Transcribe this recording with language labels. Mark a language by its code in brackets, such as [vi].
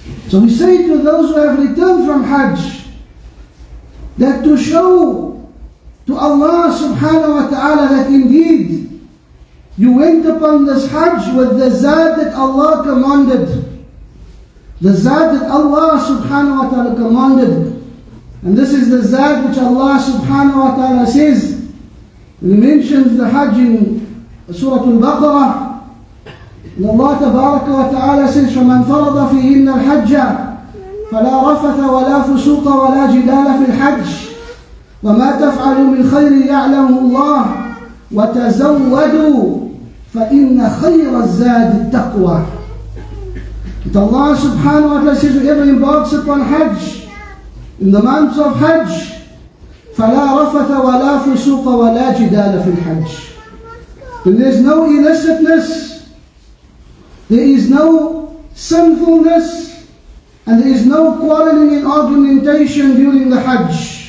[en] So we say to those who have returned from Hajj that to show to Allah subhanahu wa ta'ala that indeed you went upon this Hajj with the zad that Allah commanded. The zad that Allah subhanahu wa ta'ala commanded. And this is the zad which Allah subhanahu wa ta'ala says. He mentions the Hajj in Surah Al-Baqarah. [ar] Allah tabaraka wa ta'ala says, فَمَنْ فَرَضَ فِيهِنَّ الْحَجَّ فَلَا رَفَثَ وَلَا فُسُوقَ وَلَا جِدَالَ فِي الْحَجِّ وَمَا تَفْعَلُوا مِنْ خَيْرٍ يَعْلَمُهُ اللَّهُ وَتَزَوَّدُوا فَإِنَّ خَيْرَ الزَّادِ التَّقْوَى. [en] But Allah subhanahu wa ta'ala says, whoever embarks upon Hajj, in the months of Hajj, [ar] فَلَا رَفَثَ وَلَا فُسُوقَ وَلَا جِدَالَ فِي الْحَجِّ. [en] Then there's no illicitness, there is no sinfulness, and there is no quarreling and argumentation during the Hajj.